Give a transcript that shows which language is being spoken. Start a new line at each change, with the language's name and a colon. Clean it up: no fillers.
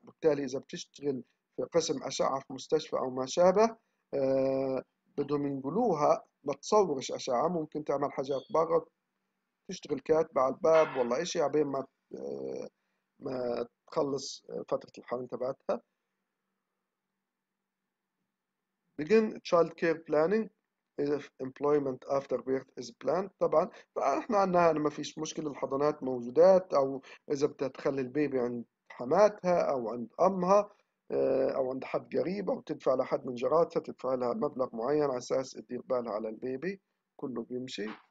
Arabic: بالتالي إذا بتشتغل في قسم أشعة في مستشفى أو ما شابه بدهم ينقلوها، ما تصورش أشعة، ممكن تعمل حاجات برا، تشتغل كاتبة على الباب والله إشي عبين ما تخلص فترة الحمل تبعتها.
English: Begin child care planning if employment after birth is planned.
Arabic: طبعا احنا عندنا ما فيش مشكلة، الحضانات موجودات، او اذا بدها تخلي البيبي عند حماتها او عند امها او عند حد قريب، او تدفع لحد من جاراتها، تدفع لها مبلغ معين على اساس تدير بالها على البيبي، كله بيمشي.